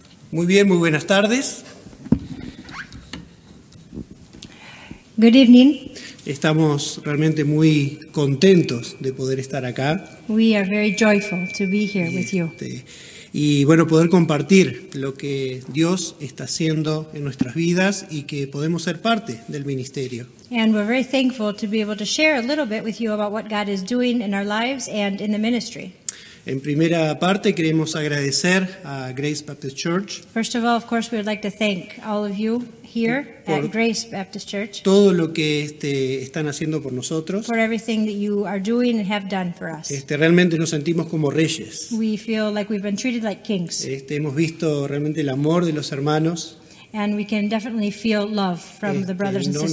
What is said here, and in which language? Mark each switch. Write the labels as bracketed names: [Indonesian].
[Spanish] Muy bien, muy buenas tardes. [English] Good evening. [Spanish] Estamos realmente muy contentos de poder estar acá. [English] We are very joyful to be here with you. [Spanish] Y bueno, poder compartir lo que Dios está haciendo en nuestras vidas y que podemos ser parte del ministerio. [English] And we're very thankful to be able to share a little bit with you about what God is doing in our lives and in the ministry. [Spanish] En primera parte queremos agradecer a Grace Baptist Church. [English] First of all, of course, we would like to thank all of you here at Grace Baptist Church. [Spanish] Todo lo que están haciendo por nosotros. [English] For everything that you are doing and have done for us. [Spanish] Realmente nos sentimos como reyes. [English] We feel like we've been treated like kings. [Spanish] Hemos visto realmente el amor de los hermanos. [English] And we can definitely feel love from the brothers and sisters